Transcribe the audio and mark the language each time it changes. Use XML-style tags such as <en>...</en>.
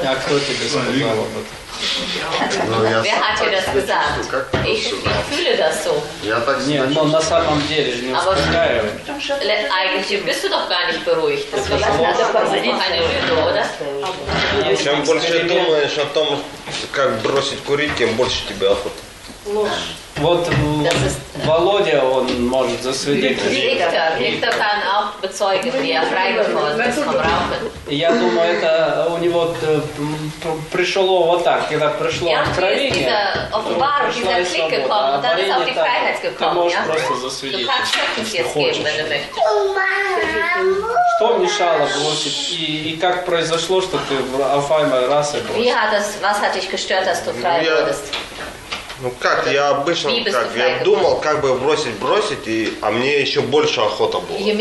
<ru>Ja, кто тебе сказал?</ru> <de>Wer hat dir das gesagt? Ich fühle das so.</de> <ru>Я так не чувствую. Нет, но на самом деле не успокаиваю.</ru> <de>Eigentlich bist du doch gar nicht beruhigt. Das ist doch keine Lüge, oder?</de> <ru>Чем больше думаешь о том, как бросить курить, тем больше тебе охота. Вот Володя, он может засвидетельствовать.</ru> <de>Виктор kann auch bezeugen, wie er frei geworden ist vom Rauchen.</de> <ru>Я думаю, это у него пришло вот так, когда пришло откровение.</ru> <de>Ja, offenbar, dieser Klick gekommen, und dann ist auch die Freiheit gekommen.</de> <ru>Ты можешь просто засвидетельствовать, если хочешь. Что мешало бросить? И как произошло, что ты</ru> <de>auf einmal</de> <ru>раз и бросил?</ru> <de>Was hat dich gestört, dass du frei wurdest?</de> <ru>Ну как, я обычно как, я думал, как бы бросить, и, а мне еще больше охота была.</ru>